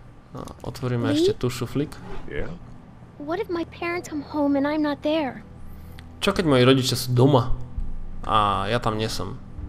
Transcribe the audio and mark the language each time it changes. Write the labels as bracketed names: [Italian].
[Slovak] No, otvoríme ešte tú šuflík. [English] What if my parents come home and I'm not there? [Slovak] Čo keď moji rodičia sú doma a ja tam nie som?